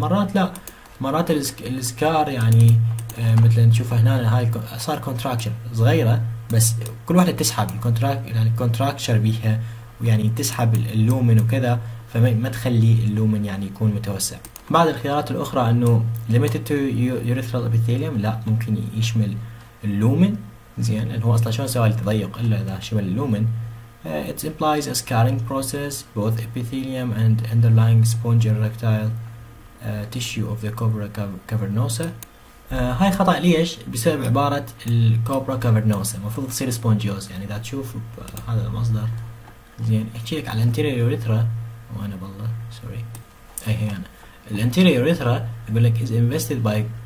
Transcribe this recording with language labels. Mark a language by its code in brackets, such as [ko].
[ar] مرات لا, مرات السكار يعني مثلا تشوفها هنا هاي صار contraction صغيره بس كل واحده تسحب الكونتراكشر بيها ويعني تسحب اللومن وكذا, فما تخلي اللومن يعني يكون متوسع. بعض الخيارات الاخرى انه ليميتد تو يوريثرال ابيثيليوم, لا ممكن يشمل اللومن. زين انه هو اصلا شلون سوى التضيق الا اذا شمل اللومن. [en] It implies a scarring process, both epithelium and underlying spongy erectile tissue of the cobra cavernosa. [ar] هاي خطأ ليش؟ بسبب عبارة الكوبرا كافرنوسا المفروض تصير سبونجيوز يعني إذا تشوف هذا المصدر زين احكي لك على الانتيريور يوريثرا وأنا بالله سوري أي هي أنا الانتيريور يوريثرا يقول لك [en] is invested by